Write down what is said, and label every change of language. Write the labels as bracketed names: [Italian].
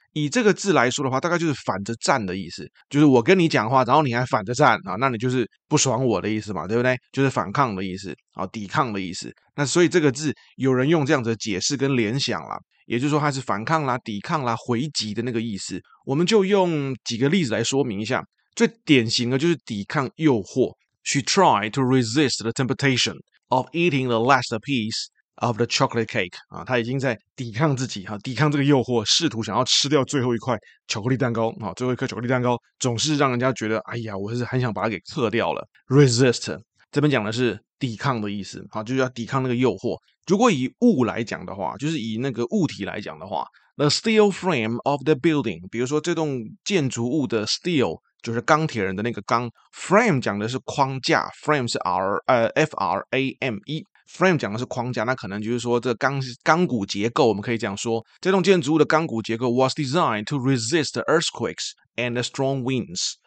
[Chinese] 以这个字来说的话，大概就是反着站的意思，就是我跟你讲话然后你还反着站，那你就是不爽我的意思嘛，对不对？就是反抗的意思，抵抗的意思。那所以这个字有人用这样子的解释跟联想啦，也就是说它是反抗啦、抵抗啦、回击的那个意思。我们就用几个例子来说明一下。最典型的就是抵抗诱惑， [English] She tried to resist the temptation of eating the last piece of the chocolate cake。 [Chinese] 她已经在抵抗自己，抵抗这个诱惑，试图想要吃掉最后一块巧克力蛋糕。最后一块巧克力蛋糕总是让人家觉得，哎呀，我是很想把它给吃掉了。 Resist 这边讲的是抵抗的意思，就是要抵抗那个诱惑。如果以物来讲的话，就是以那个物体来讲的话， [English] The steel frame of the building， [Chinese] 比如说这栋建筑物的 steel 就是钢铁人的那个钢， frame 讲的是框架， frame 是 F-R-A-M-E， frame 讲的是框架，那可能就是说这钢骨结构，我们可以这样说，这栋建筑物的钢骨结构 [English] was designed to resist earthquakes and strong winds。